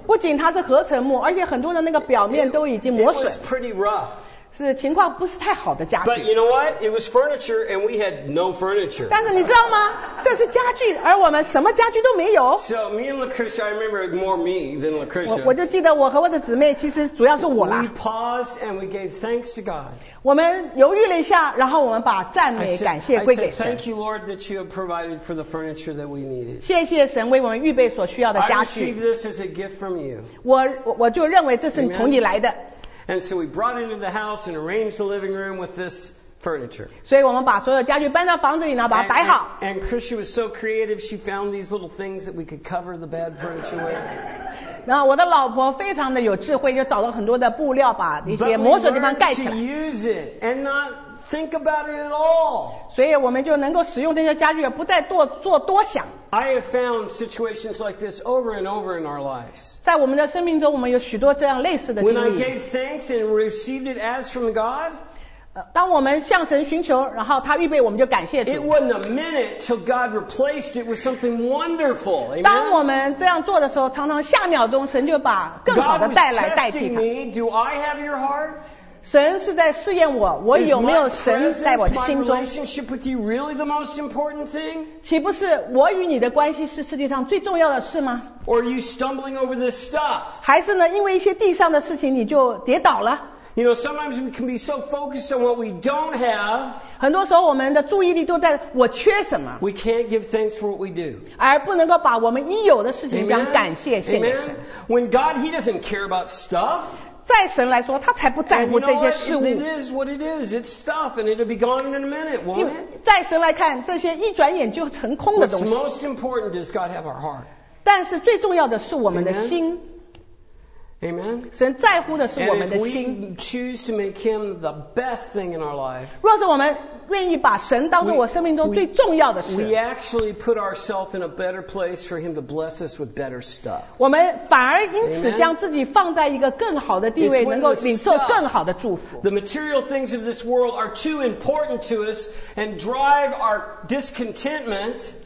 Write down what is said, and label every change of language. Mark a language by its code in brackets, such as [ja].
[zh] 不仅它是合成。而且很多的那个表面都已经磨损 [en] it was pretty rough. [zh] 是情况不是太好的家具 [en] But you know what? It was furniture and we had no furniture [zh] 但是你知道吗这是家具而我们什么家具都没有 [en] So me and Lucretia I remember more me than Lucretia [zh] 我就记得我和我的姊妹其实主要是我啦 [en] We paused and we gave thanks to God [zh] 我们犹豫了一下然后我们把赞美感谢归给神 [en] I said thank you Lord that you have provided for the furniture that we needed [zh] 谢谢神为我们预备所需要的家具 [en] I received this as a gift from you [zh] 我就认为这是从你来的 [en] Amen? And so we brought it into the house and arranged the living room with this furniture [zh] 所以我们把所有家具搬到房子里然后把它摆好 [en] and Christian was so creative she found these little things that we could cover the bad furniture with [zh] 那我的老婆非常的有智慧就找了很多的布料把一些磨损地方盖起来 [en] But we learned to use it and not think about it at all [zh] 所以我们就能够使用这些家具不再做多想 [en] I have found situations like this over and over in our lives [zh] 在我们的生命中我们有许多这样类似的经历 [en] When I gave thanks and received it as from God [zh] 当我们向神寻求然后他预备我们就感谢主 [en] It wasn't a minute till God replaced it with something wonderful、Amen? [zh] 当我们这样做的时候常常下秒钟神就把更好的带来代替他 [en] God was testing me Do I have your heart? [zh] 神是在试验我我有没有神在我的心中 [en] Is my presence, my relationship with you really the most important thing? [zh] 岂不是我与你的关系是世界上最重要的事吗 [en] Or are you stumbling over this stuff? [zh] 还是呢因为一些地上的事情你就跌倒了 [en] You know, sometimes we can be so focused on what we don't have. [zh] 很多时候我们的注意力都在我缺什么。 [en] We can't give thanks for what we do. [zh] 而不能够把我们已有的事情讲感谢献给神。 [en] Amen. Amen. When God, He doesn't care about stuff. [zh] 在神来说，他才不在乎这些事物。 [en] It is what it is. It's stuff, and it'll be gone in a minute, won't it? [zh] 在神来看，这些一转眼就成空的东西。 [en] What's most important is God have our heart. [zh] 但是最重要的是我们的心。 [en] Amen. [zh] 神在乎的是我们的心。 [en] And if we choose to make Him the best thing in our life, [zh] 若是我们愿意把神当作我生命中最重要的事 [en] we actually put ourselves in a better place for Him to bless us with better stuff. [zh] 我们反而因此将自己放在一个更好的地位，能够领受更好的祝福。 [en] The material things of this world are too important to us and drive our discontentment.